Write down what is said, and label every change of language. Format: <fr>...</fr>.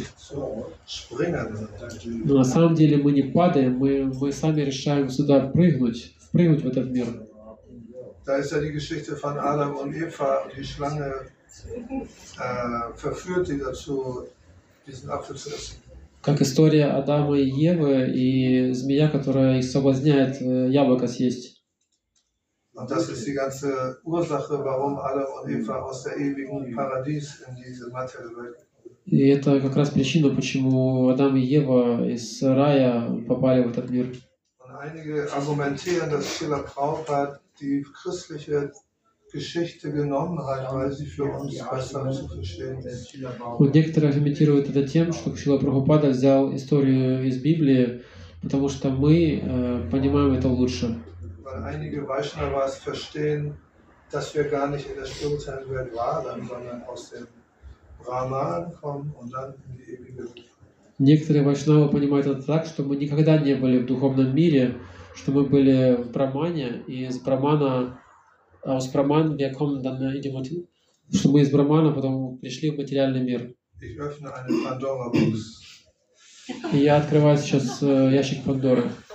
<ru>Но на самом деле мы не падаем, мы сами решаем сюда впрыгнуть в этот мир.</ru> <de>Da ist ja die Geschichte von Adam und Eva, die Schlange verführt sie dazu, diesen Apfel zu essen.</de> <ru>Как история Адама и Евы и змея, которая их соблазняет яблоко съесть.</ru> <de>Und das ist die ganze Ursache, warum Adam und Eva aus der ewigen Paradies in diese materielle Welt.</de> <ru>И это как раз причина, почему Адам и Ева из рая попали в этот мир.</ru> <de>Und einige argumentieren, dass Schiller Prabhupada die christliche Geschichte genommen hat, weil sie für uns besser zu verstehen ist. Und</de> <ru>некоторые аргументируют это тем, что Шрила Прабхупада взял историю из Библии, потому что мы понимаем это лучше.</ru> <de>Weil einige Vaishnavas verstehen, dass wir gar nicht in der spirituellen Welt waren, sondern aus dem Brahman kommen und dann in die ewige Welt.</de> <ru>Некоторые вайшнавы понимают это так, что мы никогда не были в духовном мире, что мы были в Брамане, и из Брамана, что мы из Брамана потом пришли в материальный мир. И я открываю сейчас ящик Пандоры.</ru>